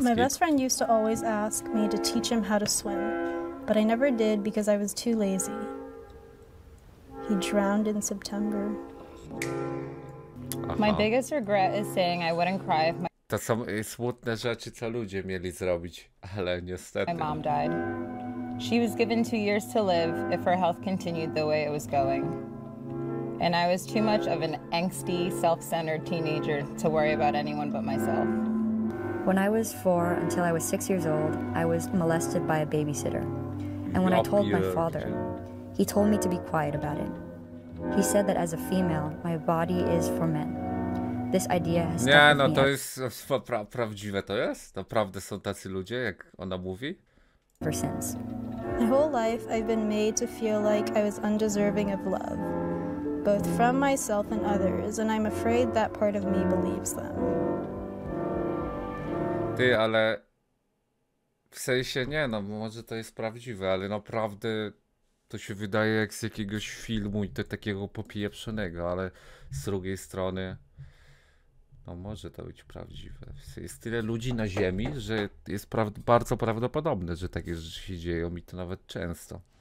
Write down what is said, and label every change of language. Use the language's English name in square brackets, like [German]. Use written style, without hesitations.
[English] my best friend used to always ask me to teach him how to swim, but I never did because I was too lazy. He drowned in September. Aha. My biggest regret is saying I wouldn't cry if my... [Polish] To są smutne rzeczy, co ludzie mieli zrobić, ale niestety... [English] My mom died. She was given 2 years to live if her health continued the way it was going. And I was too much of an angsty, self-centered teenager to worry about anyone but myself. When I was 4 until I was 6 years old, I was molested by a babysitter. And when I told my father, he told me to be quiet about it. He said that as a female, my body is for men. This idea has [Polish] Nie, no to jest prawdziwe to jest? Naprawdę są tacy ludzie, jak ona mówi? [English] For sins. My whole life I've been made to feel like I was undeserving of love, both from myself and others, and I'm afraid that part of me believes them. [Polish] Ty, ale W sensie nie, no może to jest prawdziwe, ale naprawdę to się wydaje jak z jakiegoś filmu i to takiego popieprzonego, ale z drugiej strony, no może to być prawdziwe. Jest tyle ludzi na Ziemi, że jest bardzo prawdopodobne, że takie rzeczy się dzieją i to nawet często.